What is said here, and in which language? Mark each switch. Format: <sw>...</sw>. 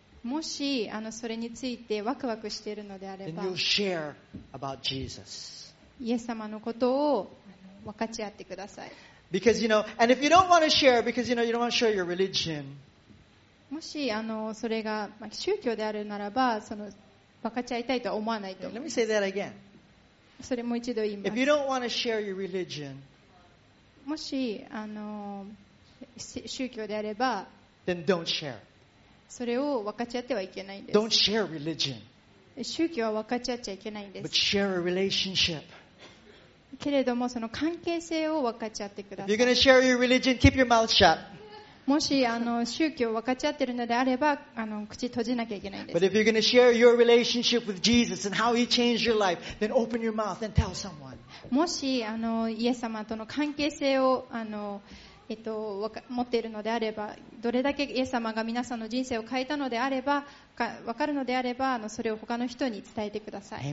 <ja>もしあのそれについてワクワクしているのであれば、</ja> <en>Then you'll share about Jesus.</en> <ja>イエス様のことを分かち合ってください。</ja> <en>Because you know, and if you don't want to share, because you know you don't want to show your religion.</en> <ja>もしあのそれが、まあ、宗教であるならば、その分かち合いたいとは思わないと思います。</ja> <en>Let me say that again.</en> <ja>それもう一度言います。</ja> <en>If you don't want to share your religion,</en> <ja>もしあの宗教であれば、</ja> <en>Then don't share.</en> <ja>それを分かち合ってはいけないんです。</ja> <en>Don't share religion.</en> <ja>宗教は分かち合っちゃいけないんです。</ja> <en>But share a relationship.</en> <ja>けれどもその関係性を分かち合ってください。</ja> <en>If you're going to share your religion, keep your mouth shut.</en> <ja>もしあの宗教を分かち合ってるのであればあの口閉じなきゃいけないんです。</ja> <en>But if you're going to share your relationship with Jesus and how He changed your life, then open your mouth and tell someone.</en> <ja>もしあのイエス様との関係性をあの持っているのであればどれだけイエス様が皆さんの人生を変えたのであれば分かるのであればあのそれを他の人に伝えてください。</ja>